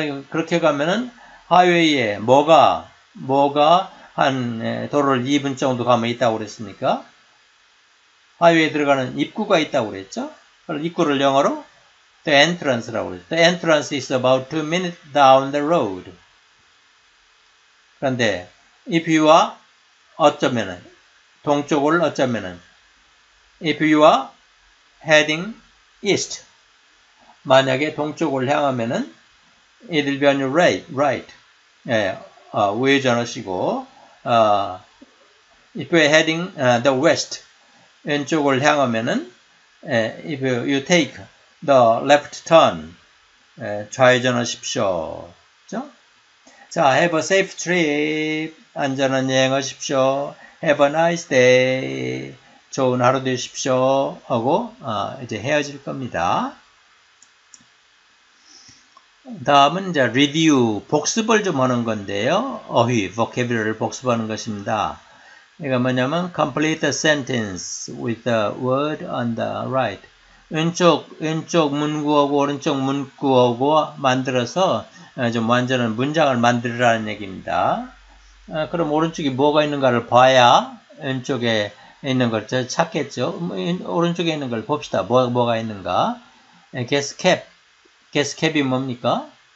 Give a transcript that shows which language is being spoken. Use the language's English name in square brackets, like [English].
[Korean] 그렇게 가면은 하이웨이에 뭐가 한 도로를 2분 정도 가면 있다고 그랬습니까? 하이웨이에 들어가는 입구가 있다고 그랬죠? 입구를 영어로 the entrance라고 그랬죠. [English] The entrance is about 2 minutes down the road. [Korean] 그런데 [English] if you are [Korean] 어쩌면은 동쪽을 어쩌면은 [English] if you are heading east [Korean] 만약에 동쪽을 향하면은 [English] it will be on your right [Korean] 예, 우회전하시고 [English] if you are heading the west [Korean] 왼쪽을 향하면은 예, [English] if you take the left turn [Korean] 예, 좌회전하십시오. 그렇죠? [English] 자, have a safe trip. [Korean] 안전한 여행하십시오. [English] Have a nice day. [Korean] 좋은 하루 되십시오. 하고 이제 헤어질 겁니다. 다음은 이제 review, 복습을 좀 하는 건데요. 어휘, vocabulary를 복습하는 것입니다. 이거 뭐냐면 [English] complete a sentence with the word on the right. [Korean] 왼쪽 문구하고 오른쪽 문구하고 만들어서 좀 완전한 문장을 만들으라는 얘기입니다. 그럼 오른쪽에 뭐가 있는가를 봐야 왼쪽에 있는 걸 찾겠죠. 오른쪽에 있는 걸 봅시다. 뭐가 있는가. Gas cap. Gas cap이 뭡니까?